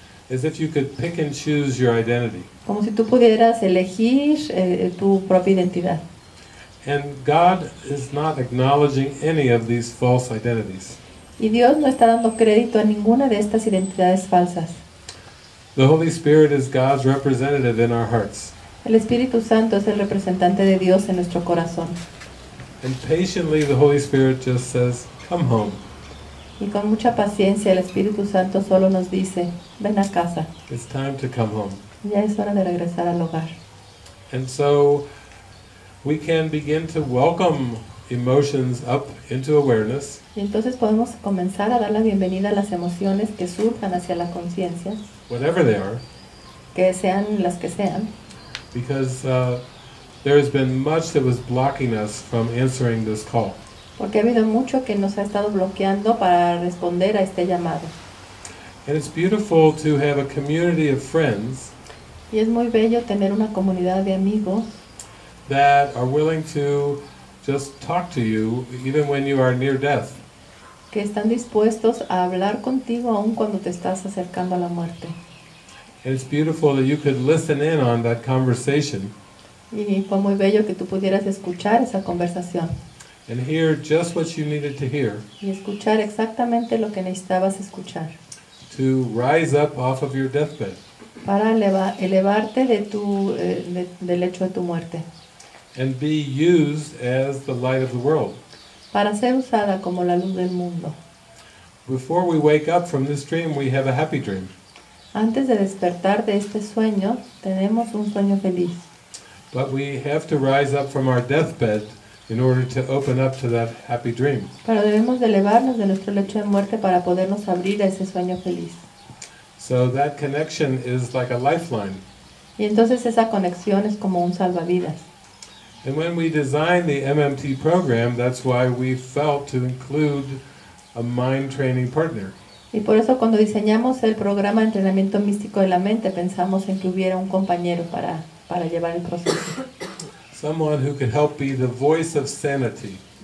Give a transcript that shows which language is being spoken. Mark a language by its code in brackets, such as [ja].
[en] As if you could pick and choose your identity. [es] Como si tú pudieras elegir tu propia identidad. [en] And God is not acknowledging any of these false identities. [es] Y Dios no está dando crédito a ninguna de estas identidades falsas. [en] The Holy Spirit is God's representative in our hearts. [es] El Espíritu Santo es el representante de Dios en nuestro corazón. [en] And patiently the Holy Spirit just says, come home. [es] Y con mucha paciencia el Espíritu Santo solo nos dice, ven a casa. [en] It's time to come home. [es] Ya es hora de regresar al hogar. [en] And so we can begin to welcome emotions up into awareness. [es] Y entonces podemos comenzar a dar la bienvenida a las emociones que surjan hacia la conciencia. [en] Whatever they are. [es] Que sean las que sean. [en] Because there has been much that was blocking us from answering this call. [es] Porque ha habido mucho que nos ha estado bloqueando para responder a este llamado. [en] And it's beautiful to have a community of friends. [es] Y es muy bello tener una comunidad de amigos [en] that are willing to just talk to you even when you are near death. [es] Que están dispuestos a hablar contigo aun cuando te estás acercando a la muerte. [en] It's beautiful that you could listen in on that conversation. [es] Y fue muy bello que tú pudieras escuchar esa conversación. [en] And hear just what you needed to hear. [es] Y escuchar exactamente lo que necesitabas escuchar. [en] To rise up off of your deathbed. [es] Para elevarte de tu del lecho de tu muerte. [en] And be used as the light of the world. [es] Para ser usada como la luz del mundo. [en] Before we wake up from this dream, we have a happy dream. [es] Antes de despertar de este sueño, tenemos un sueño feliz. [en] But we have to rise up from our deathbed in order to open up to that happy dream. [es] Pero debemos de elevarnos de nuestro lecho de muerte para podernos abrir a ese sueño feliz. [en] So that connection is like a lifeline. [es] Y entonces esa conexión es como un salvavidas. [en] And when we designed the MMT program, that's why we felt to include a mind training partner. [es] Y por eso cuando diseñamos el programa de entrenamiento místico de la mente, pensamos en que hubiera un compañero para llevar el proceso. [en] Someone who could help be the voice of sanity.